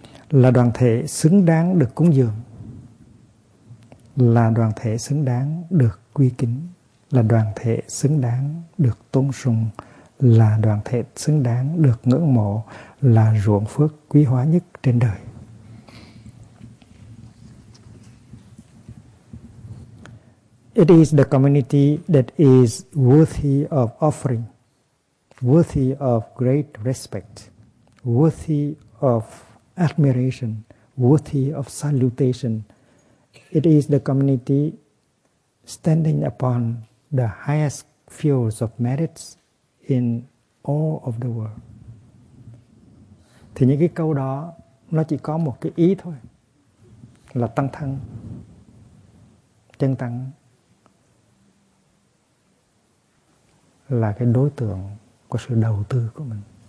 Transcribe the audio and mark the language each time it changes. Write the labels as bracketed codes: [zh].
[vi] Là đoàn thể xứng đáng được cúng dường. Là đoàn thể xứng đáng được quy kính. Là đoàn thể xứng đáng được tôn sùng. Là đoàn thể xứng đáng được ngưỡng mộ. Là ruộng phước quý hóa nhất trên đời. [en] It is the community that is worthy of offering, worthy of great respect, worthy of admiration, worthy of salutation. It is the community standing upon the highest fields of merits in all of the world. [vi] Thì những cái câu đó nó chỉ có một cái ý thôi, là tăng thân, chân tăng là cái đối tượng của sự đầu tư của mình.